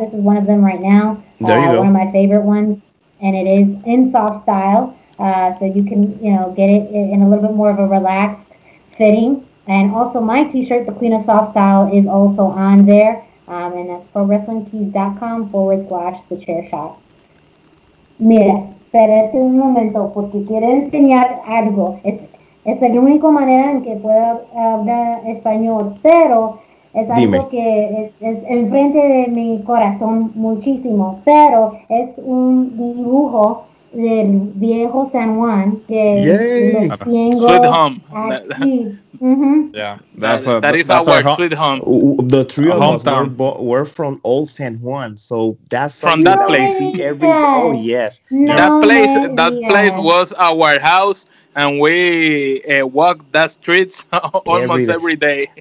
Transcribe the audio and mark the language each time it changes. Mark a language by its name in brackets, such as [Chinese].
[English] This is one of them right now. There you go. One of my favorite ones. And it is in soft style. So you can, you know, get it in a little bit more of a relaxed fitting. And also my t-shirt, the Queen of Soft Style, is also on there. And that's prowrestlingtees.com/thechairshot. [Spanish] Mira, espérate un momento, porque quiero enseñar algo. Es la única manera en que puedo hablar español, pero es algo Dime. Que es enfrente de mi corazón muchísimo. Pero es un dibujo del viejo San Juan que lo tengo [English] Sweet home. [Spanish] Aquí. Mm-hmm. [English] Yeah, that's our sweet home. The three of us were from old San Juan, so that's from that place. That place was our house, and we walked that streets almost every day.